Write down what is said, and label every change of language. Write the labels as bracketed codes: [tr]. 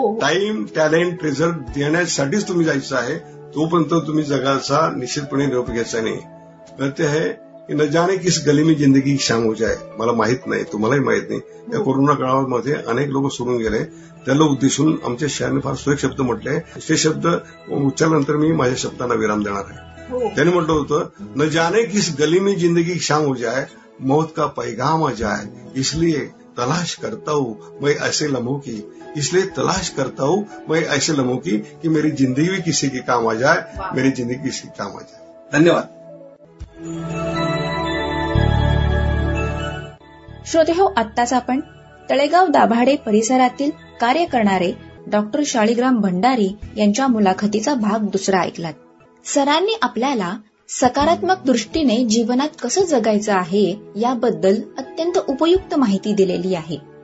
[mr] Time, talent, treasurer देण्यासाठीच तुम्ही जायचं आहे, तोपर्यंत तुम्ही जगाचा निश्चितपणे निरोप घ्यायचा नाही. ते आहे [hi] की न जाने किस गली में जिंदगी शाम हो जाए, [mr] मला माहित नाही, तुम्हालाही माहित नाही, या कोरोना काळामध्ये अनेक लोक सोडून गेले, त्याला उद्देशून आमच्या शाळेने फार सुरेख शब्द म्हटले, ते शब्द उच्चारल्यानंतर मी माझ्या शब्दांना विराम देणार आहे. त्यांनी म्हटलं होतं, [hi] न जाने किस गली में जिंदगी शाम हो जाए, मौत का पैगाम आ जाए, इसलिए तलाश करता हूं मैं ऐसे लम्हों की, इसलिए तलाश करता हूं मैं ऐसे लम्हों की कि मेरी जिंदगी भी किसी के काम आ जाए, मेरी जिंदगी किसी के काम आ जाए. [mr] धन्यवाद. श्रोते हो, आत्ताच आपण तळेगाव दाभाडे परिसरातील कार्य करणारे डॉक्टर शाळीग्राम भंडारी यांच्या मुलाखतीचा भाग दुसरा ऐकलात. सरांनी आपल्याला सकारात्मक दृष्टीने जीवनात कसं जगायचं आहे याबद्दल अत्यंत उपयुक्त माहिती दिलेली आहे.